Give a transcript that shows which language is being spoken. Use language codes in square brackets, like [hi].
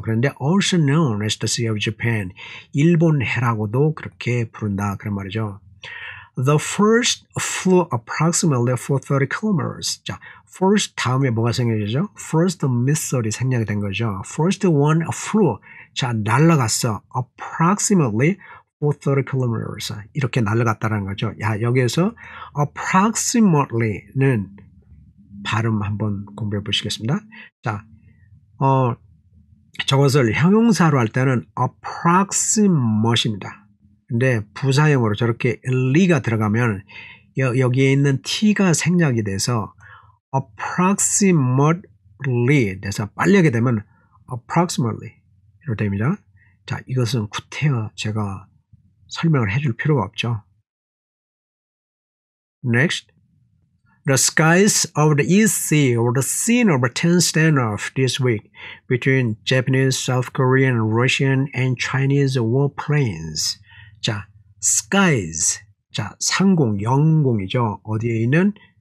[ko] 그런데 [en] also known as the Sea of Japan. [ko] 일본 해라고도 그렇게 부른다. 그런 말이죠. [en] The first flew approximately 430 kilometers. [ko] 자, first 다음에 뭐가 생겨지죠? First missile이 생략이 된 거죠. [en] First one flew. [ko] 자, 날아갔어. [en] Approximately 430 kilometers. [ko] 이렇게 날아갔다는 거죠. 야, 여기에서 approximately는 발음 한번 공부해 보시겠습니다. 자, 저것을 형용사로 할 때는 approximate입니다. 근데 부사형으로 저렇게 ly가 들어가면 여기에 있는 t가 생략이 돼서 approximately 돼서 빨리하게 되면 approximately 이렇게 됩니다. 자, 이것은 구태여 제가 설명을 해줄 필요가 없죠. [en] Next. The skies of the East Sea were the scene of a tense standoff this week between Japanese, South Korean, Russian, and Chinese warplanes. [ko] 자, skies. 자, 상공, 영공이죠. 어디에 있는?